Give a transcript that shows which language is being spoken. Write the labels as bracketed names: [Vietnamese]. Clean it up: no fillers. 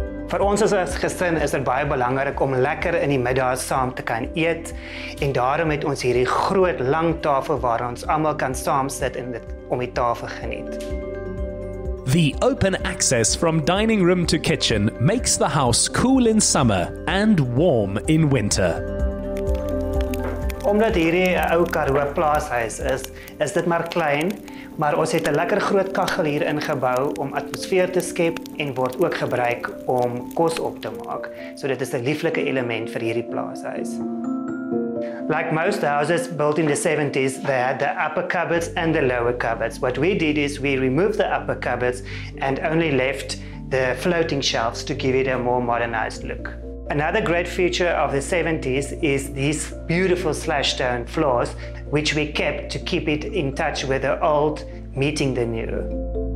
[Afrikaans] Vir ons as 'n gesin is dit baie belangrik om lekker in die middag saam te kan eet en daarom het ons hierdie groot lang tafel waar ons almal kan saam sit en dit om die tafel geniet. [English] The open access from dining room to kitchen makes the house cool in summer and warm in winter. [Afrikaans] Omdat hierdie 'n ou Karoo plaashuis is, is dit maar klein, maar ons het 'n lekker groot kaggel hier ingebou om atmosfeer te skep en word ook gebruik om kos op te maak. So dit is 'n lieflike element vir hierdie plaashuis. [English] Like most houses built in the 70s, they had the upper cupboards and the lower cupboards. What we did is we removed the upper cupboards and only left the floating shelves to give it a more modernized look. Another great feature of the 70s is these beautiful slash stone floors, which we kept to keep it in touch with the old meeting the new.